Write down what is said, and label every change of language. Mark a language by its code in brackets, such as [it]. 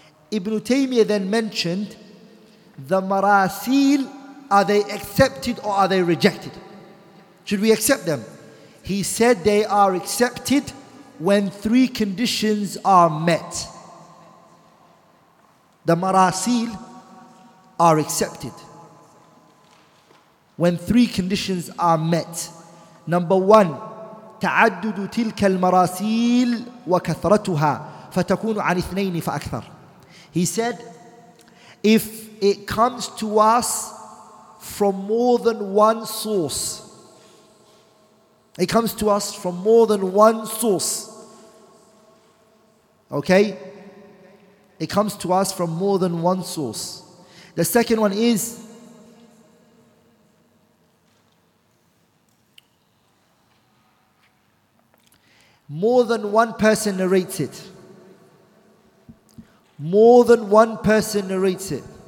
[en] Ibn Taymiyyah then mentioned, the marasil, are they accepted or are they rejected? Should we accept them? He said they are accepted when three conditions are met. The marasil are accepted when three conditions are met. Number one, [ar] تعدد تلك المراسيل وكثرتها فتكون عن اثنين فأكثر. [en] He said, if it comes to us from more than one source, it comes to us from more than one source. The second one is, More than one person narrates it.